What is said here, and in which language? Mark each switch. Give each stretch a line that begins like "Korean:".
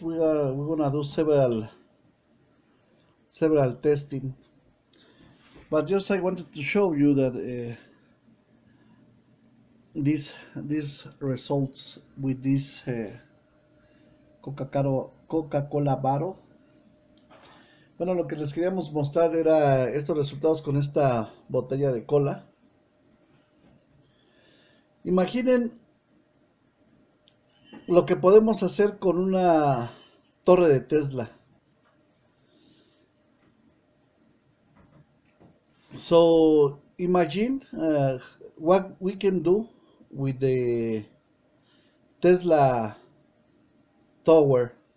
English: We're gonna do several testing, but just I wanted to show you that these results with this Coca-Cola Baro.
Spanish: Bueno, lo que les queríamos mostrar era estos resultados con esta botella de cola. Imaginen lo que podemos hacer con una torre de Tesla.
English: So imagine what we can do with the Tesla tower.